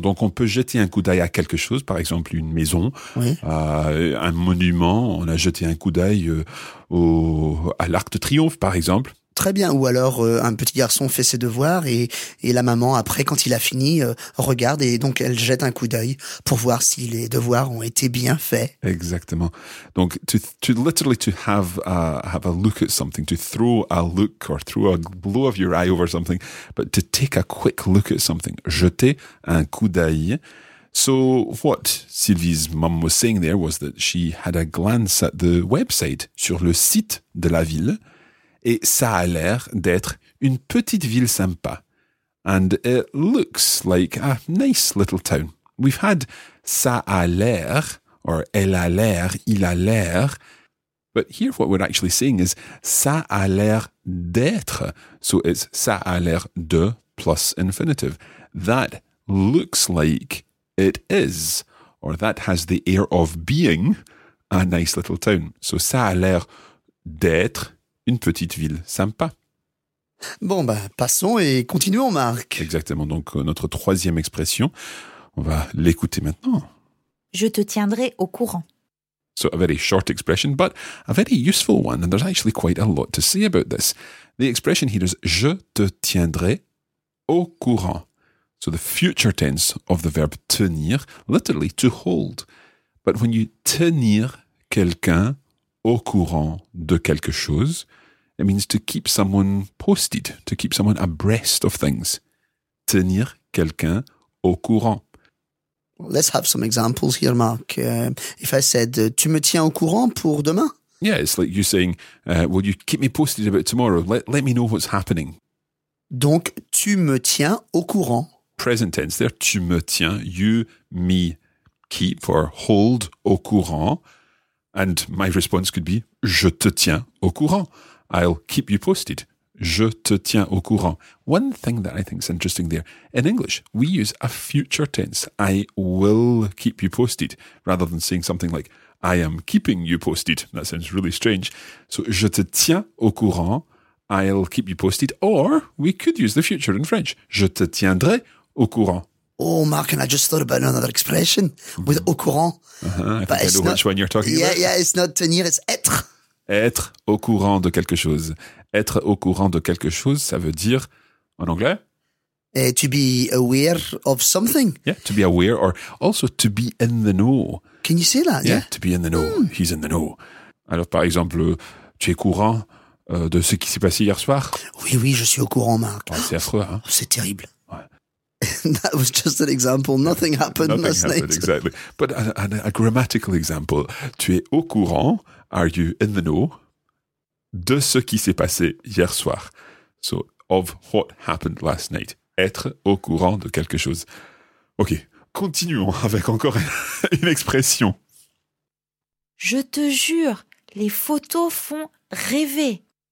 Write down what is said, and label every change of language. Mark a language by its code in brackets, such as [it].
[fr] Donc, on peut jeter un coup d'œil à quelque chose, par exemple une maison, un monument. On a jeté un coup d'œil à l'Arc de Triomphe, par exemple. Très bien. Ou alors, un petit garçon fait ses devoirs et la maman, après, quand il a fini, regarde et donc elle jette un coup d'œil pour voir si les devoirs ont été bien faits. Exactement. [en] Donc, to literally have a look at something, to throw a look or throw a blow of your eye over something, but to take a quick look at something, [fr] jeter un coup d'œil. [en] So what Sylvie's mum was saying there was that she had a glance at the website, [fr] sur le site de la ville, et ça a l'air d'être une petite ville sympa. [en] And it looks like a nice little town. We've had [fr] ça a l'air, [en] or [fr] elle a l'air, il a l'air. [en] But here what we're actually saying is [fr] ça a l'air d'être. [en] So it's [fr] ça a l'air de [en] plus infinitive. That looks like it is, or that has the air of being a nice little town. [fr] So ça a l'air d'être une petite ville sympa. Bon, ben, passons et continuons, Marc. Exactement. Donc, notre troisième expression, on va l'écouter maintenant. Je te tiendrai au courant. [en] So, a very short expression, but a very useful one. And there's actually quite a lot to say about this. The expression here is [fr] je te tiendrai au courant. [en] So, the future tense of the verb tenir, literally to hold. But when you [fr] tenir quelqu'un au courant de quelque chose, [en] it means to keep someone posted, to keep someone abreast of things. [fr] Tenir quelqu'un au courant. [en] Let's have some examples here, Mark. If I said, [fr] tu me tiens au courant pour demain? [en] Yeah, it's like you saying, will you keep me posted about tomorrow? Let me know what's happening. [fr] Donc, tu me tiens au courant. [en] Present tense there, [fr] tu me tiens, [en] you, me, keep or hold au courant. And my response could be, [fr] je te tiens au courant. [en] I'll keep you posted. [fr] Je te tiens au courant. [en] One thing that I think is interesting there. In English, we use a future tense. I will keep you posted. Rather than saying something like, I am keeping you posted. That sounds really strange. [fr] So, je te tiens au courant. [en] I'll keep you posted. Or, we could use the future in French. [fr] Je te tiendrai au courant. [en] Oh, Mark, and I just thought about another expression with au courant. Uh-huh, I think I know which one you're talking about. Yeah, it's not tenir, it's être. [fr] Être au courant de quelque chose. Être au courant de quelque chose, ça veut dire, en anglais? [en] To be aware of something. Yeah, to be aware, or also to be in the know. Can you say that? Yeah, to be in the know. Mm. He's in the know. [fr] Alors, par exemple, tu es courant de ce qui s'est passé hier soir? Oui, oui, je suis au courant, Mark. Oh, c'est affreux, hein? C'est terrible. [en] That was just an example. Nothing happened Nothing last happened, night. Exactly. But a grammatical example. [fr] Tu es au courant, [en] are you in the know, [fr] de ce qui s'est passé hier soir. [en] So, of what happened last night. [fr] Être au courant de quelque chose. Ok, continuons avec encore une expression. Je te jure, les photos font rêver.